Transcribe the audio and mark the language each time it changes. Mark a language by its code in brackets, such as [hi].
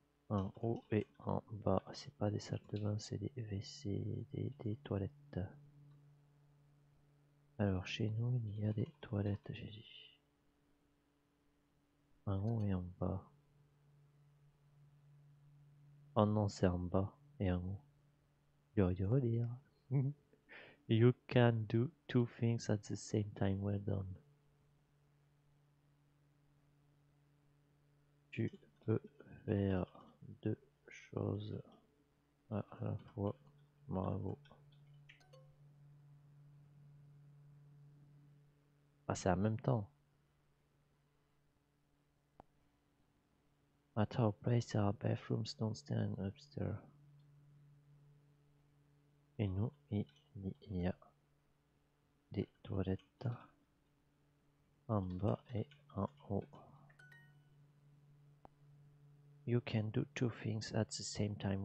[fr] En haut et en bas, c'est pas des salles de bain, c'est des WC, des toilettes. Alors chez nous, il y a des toilettes, j'ai dit. En haut et en bas. Oh non, c'est en bas et en haut. J'aurais dû relire. [en] You can do two things at the same time. Well done. [fr] Tu peux faire deux choses à la fois. Bravo. Ah, c'est en même temps. [en] At our place, there are bathrooms downstairs and upstairs. [fr] Et nous, il y a des toilettes en bas et en haut. [en] You can do two things at the same time.